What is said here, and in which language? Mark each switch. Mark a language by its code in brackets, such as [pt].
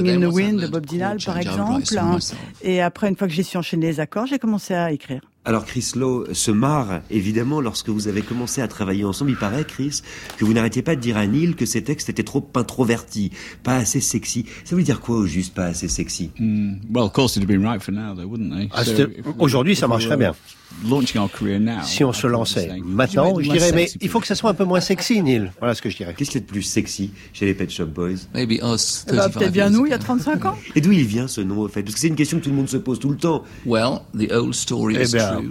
[fr] Blowing in the Wind de Bob Dylan, par exemple. Et après, une fois que j'ai su enchaîner les accords, j'ai commencé à écrire. Alors Chris Lowe se marre, évidemment, lorsque vous avez commencé à travailler ensemble. Il paraît, Chris, que vous n'arrêtiez pas de dire à Neil que ses textes étaient trop introvertis, pas assez sexy. Ça veut dire quoi, au juste, pas assez sexy? [en] Well, of course, it'd have been right for now, though, wouldn't they? [fr] Aujourd'hui, ça marcherait bien. Si on se lançait maintenant, je dirais, mais il faut que ça soit un peu moins sexy, Neil. Voilà ce que je dirais. Qu'est-ce qui est le plus sexy chez les Pet Shop Boys? Peut-être bien nous, il y a 35 ans. Et d'où il vient ce nom, au fait? Parce que c'est une question que tout le monde se pose tout le temps. [en] Well, the old story is true.